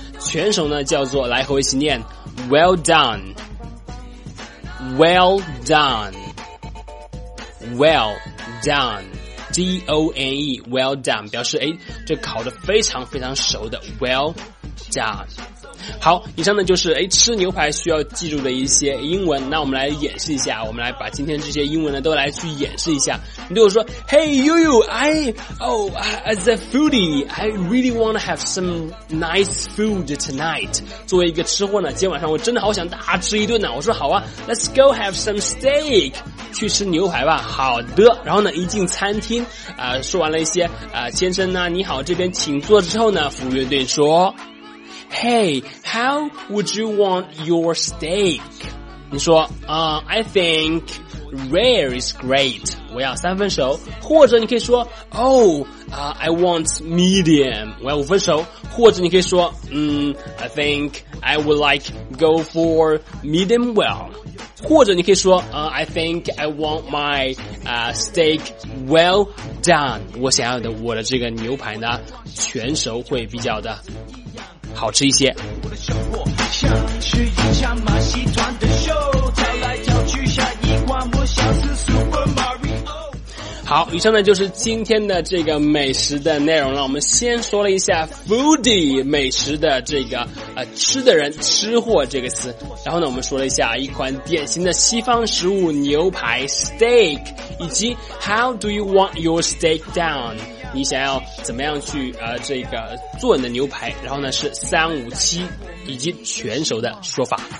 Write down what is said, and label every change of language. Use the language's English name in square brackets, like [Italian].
[Chinese] 全熟呢叫做，来和我一起念 [English] well done well done well done [Chinese] D-O-N-E well done， 表示诶这烤得非常非常熟的 well done。好，以上呢就是吃牛排需要记住的一些英文。那我们来演示一下，我们来把今天这些英文呢都来去演示一下。你对我说 [English] Hey Yuyu as a foodie I really want to have some nice food tonight。 [Chinese] 作为一个吃货呢，今天晚上我真的好想大吃一顿呢。我说好啊， [English] Let's go have some steak， [Chinese] 去吃牛排吧。好的，然后呢一进餐厅说完了一些先生呢你好这边请坐之后呢，服务员对你说 [English] Hey, how would you want your steak? 你说I think rare is great. [Chinese] 我要三分熟。 [English] 或者你可以说 I want medium. [Chinese] 我要五分熟。 [English] 或者你可以说I think I would like go for medium well. 或者你可以说I think I want my steak well done. [Chinese] 我想要的我的这个牛排呢全熟会比较的好吃一些。我的小伙想吃一下马戏团的秀，跳来跳去下一关，我想吃 Super Mario。好，以上呢就是今天的这个美食的内容了。我们先说了一下 foodie 美食的这个吃的人吃货这个词，然后呢我们说了一下一款典型的西方食物牛排 steak， 以及 [English] how do you want your steak done， [Chinese] 你想要怎么样去这个做你的牛排，然后呢是三五七以及全熟的说法。